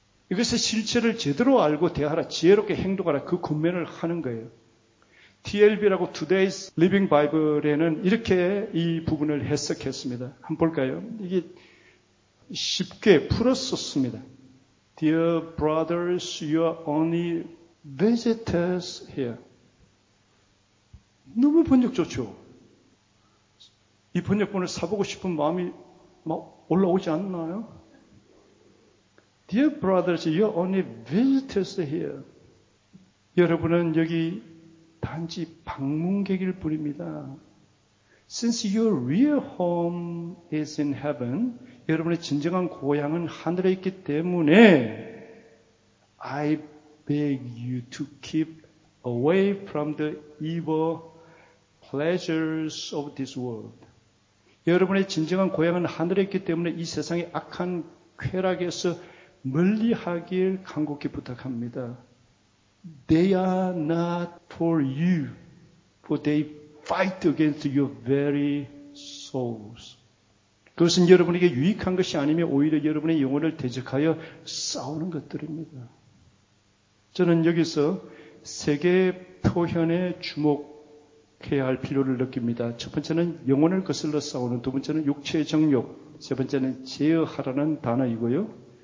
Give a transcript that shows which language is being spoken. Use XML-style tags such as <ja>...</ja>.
<ko>이것의 실체를 제대로 알고 대하라. 지혜롭게 행동하라. 그 권면을 하는 거예요. TLB라고 Today's Living Bible에는 이렇게 이 부분을 해석했습니다. 한번 볼까요? 이게 쉽게 풀어 썼습니다.</ko> <en>Dear brothers, you are only visitors here.</en> <ko>너무 번역 좋죠. 이 번역본을 사보고 싶은 마음이 막 올라오지 않나요?</ko> <en>Dear brothers, you're only visitors here.</en> <ko>여러분은 여기 단지 방문객일 뿐입니다.</ko> <en>Since your real home is in heaven,</en> <ko>여러분의 진정한 고향은 하늘에 있기 때문에</ko> <en>I beg you to keep away from the evil pleasures of this world.</en> <ko>여러분의 진정한 고향은 하늘에 있기 때문에 이 세상의 악한 쾌락에서 멀리하길 간곡히 부탁합니다.</ko> <en>They are not for you, for they fight against your very souls.</en> <ko>그것은 여러분에게 유익한 것이 아니며 오히려 여러분의 영혼을 대적하여 싸우는 것들입니다. 저는 여기서 세계 표현에 주목 해야 할 필요를 느낍니다. 첫 번째는 영혼을 거슬러 싸우는, 두 번째는 육체의 정욕, 세 번째는 제어하라는 단어이고요.</ko>